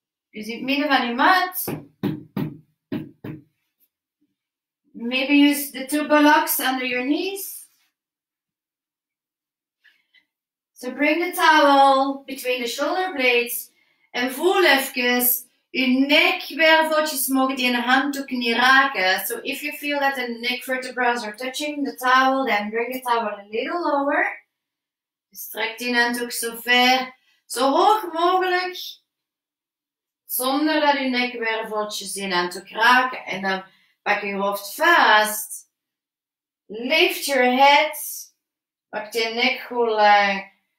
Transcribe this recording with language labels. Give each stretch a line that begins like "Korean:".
Dutch: Dus in het midden van je mat.
English: Maybe use the two blocks under your knees. So bring the towel between the shoulder blades
Dutch: en voel even je nekwerveltjes mogen die handdoek niet raken.
English: So if you feel that the neck vertebras are touching the towel, then bring the towel a little lower.
Dutch: Strek die handdoek zo ver, zo hoog mogelijk, zonder dat je nekwerveltjes die handdoek raken. En dan pak je hoofd vast,
English: lift your head,
Dutch: pak je nek goed lang.